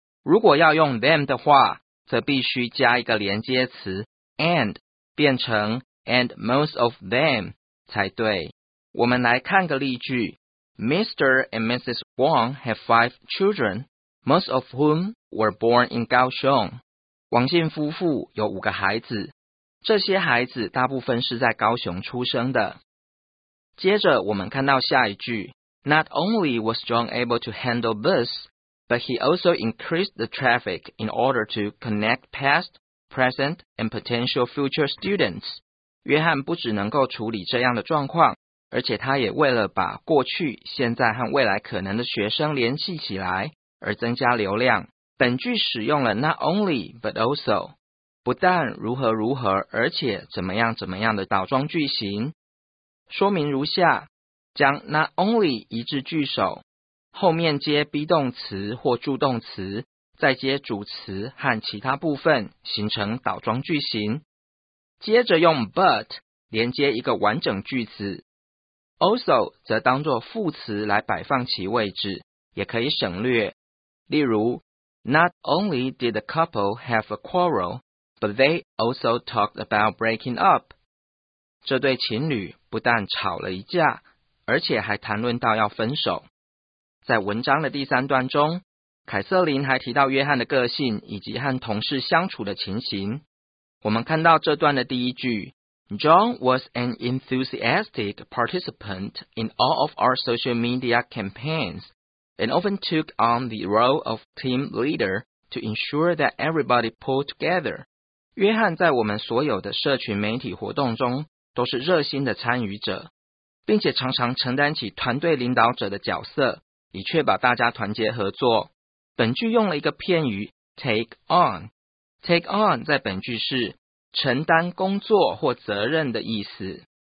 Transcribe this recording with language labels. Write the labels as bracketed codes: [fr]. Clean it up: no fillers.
[zh] 如果要用 them 的话，则必须加一个连接词 and， 变成 [en] and most of them [zh] 才对。我们来看个例句， Mr. and Mrs. [en] Wang have 5 children, most of whom were born in Kaohsiung. [zh] 王姓夫妇有5个孩子，这些孩子大部分是在高雄出生的。接着我们看到下一句， [en] Not only was John able to handle this, but he also increased the traffic in order to connect past, present, and potential future students. [zh] 约翰不只能够处理这样的状况，而且他也为了把过去、现在和未来可能的学生联系起来而增加流量。本句使用了 [en] not only, but also， [zh] 不但如何如何，而且怎么样怎么样的倒装句型。说明如下，将 not only 移至句首，后面接 be 动词或助动词，再接主词和其他部分，形成倒装句型。接着用 but 连接一个完整句子， also 则当作副词来摆放其位置，也可以省略。例如 [en] not only did the couple have a quarrel, but they also talked about breaking up。 [zh] 这对情侣不但吵了一架，而且还谈论到要分手。在文章的第三段中，凯瑟琳还提到约翰的个性以及和同事相处的情形。我们看到这段的第一句， [en] John was an enthusiastic participant in all of our social media campaigns and often took on the role of team leader to ensure that everybody pulled together。 [zh] 约翰在我们所有的社群媒体活动中都是热心的参与者，并且常常承担起团队领导者的角色，以确保大家团结合作。本句用了一个片语 take on， take on 在本句是承担工作或责任的意思。